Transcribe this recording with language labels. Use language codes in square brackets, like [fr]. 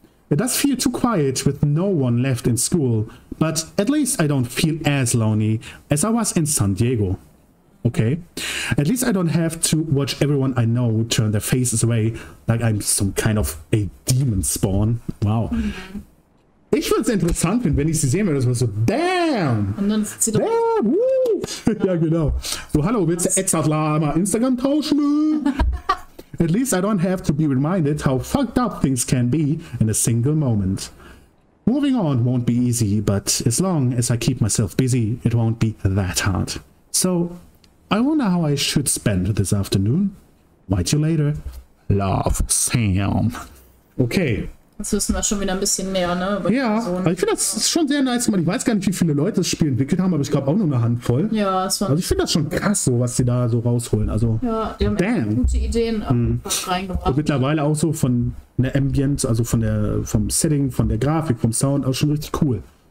[en] It does feel too quiet with no one left in school, but at least I don't feel as lonely as I was in San Diego. Okay? At least I don't have to watch everyone I know turn their faces away like I'm some kind of a demon spawn. Wow. [de] Ich würde es interessant finden, wenn ich sie sehen würde, das war so, damn! Und dann ist sie damn, doch. Woo. Ja, genau. So, hallo, willst du Etzatla mal Instagram tauschen? [en] At least I don't have to be reminded how fucked up things can be in a single moment. Moving on won't be easy, but as long as I keep myself busy, it won't be that hard. So, I wonder how I should spend this afternoon. Write you later. Love, Sam. Okay. [de] Jetzt wissen wir schon wieder ein bisschen mehr, ne? Über ja, die also ich finde das ist schon sehr nice gemacht. Ich weiß gar nicht, wie viele Leute das Spiel entwickelt haben, aber ich glaube auch nur eine Handvoll. Ja, das war. Also ich finde das schon krass, so was sie da so rausholen. Also, ja, die haben gute Ideen reingebracht. Und mittlerweile auch so von der Ambient, also von der vom Setting, von der Grafik, vom Sound, auch schon richtig cool.